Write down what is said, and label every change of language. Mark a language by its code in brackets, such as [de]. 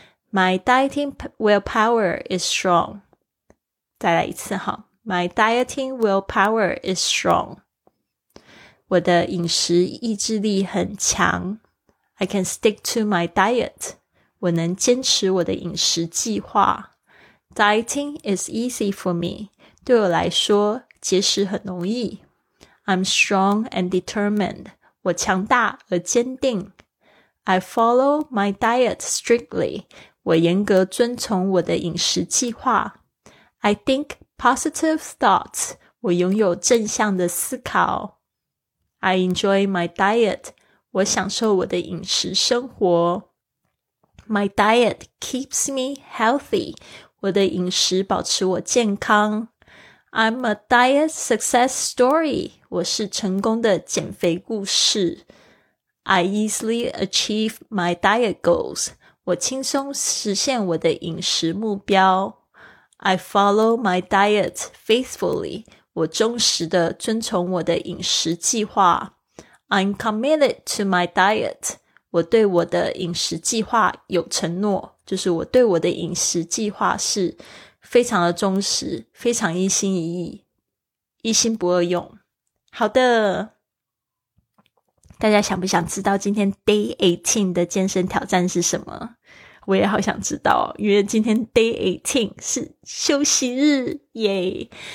[en] My dieting willpower is strong [zh] 再来一次好 [en] My dieting willpower is strong [zh] 我的饮食意志力很强 [en] I can stick to my diet [zh] 我能坚持我的饮食计划 [en] Dieting is easy for me. [zh] 对我来说，节食很容易。 [en] I'm strong and determined. [zh] 我强大而坚定。 [en] I follow my diet strictly. [zh] 我严格遵从我的饮食计划。 [en] I think positive thoughts. [zh] 我拥有正向的思考。 [en] I enjoy my diet. [zh] 我享受我的饮食生活。 [en] My diet keeps me healthy. [zh] 我的饮食保持我健康。 [en] I'm a diet success story. [zh] 我是成功的减肥故事。 [en] I easily achieve my diet goals. [zh] 我轻松实现我的饮食目标。 [en] I follow my diet faithfully. [zh] 我忠实地遵从我的饮食计划。 [en] I'm committed to my diet. [zh] 我对我的饮食计划有承诺。就是我对我的饮食计划是非常的忠实非常一心一意一心不二用好的大家想不想知道今天 Day 18的健身挑战是什么我也好想知道因为今天 Day 18是休息日耶